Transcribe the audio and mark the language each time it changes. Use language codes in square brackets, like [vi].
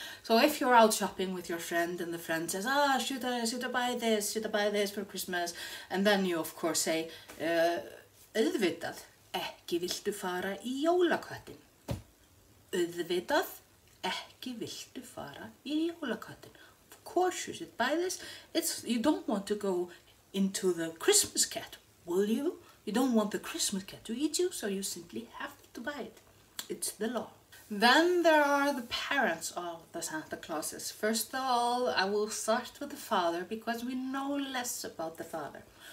[en] So if you're out shopping with your friend and the friend says, ah, should I buy this for Christmas? And then you of course say, auðvitað, ekki viltu fara í jólaköttin. [is] Auðvitað, ekki viltu fara í jólaköttin. [en] Of course you should buy this. You don't want to go into the Christmas cat, will you? You don't want the Christmas cat to eat you, so you simply have to buy it. It's the law. Then there are the parents of the Santa Clauses. First of all, I will start with the father because we know less about the father.